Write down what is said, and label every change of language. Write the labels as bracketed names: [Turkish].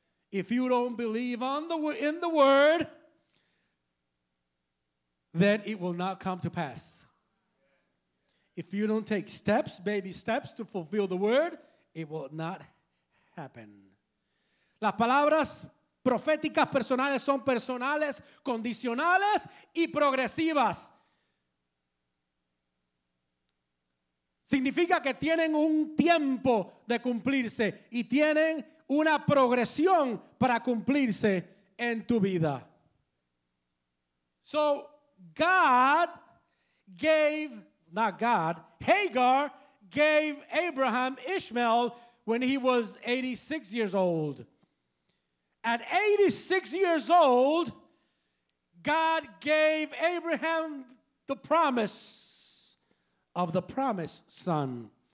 [English] If you don't believe in the word, then it will not come to pass. If you don't take steps, baby steps, to fulfill the word, it will not happen. [Spanish] Las palabras proféticas personales son personales, condicionales y progresivas. Significa que tienen un tiempo de cumplirse y tienen una progresión para cumplirse en tu vida. [English] So God gave, not God, Hagar gave Abraham Ishmael when he was 86 years old. At 86 years old, God gave Abraham the promise of the promised son.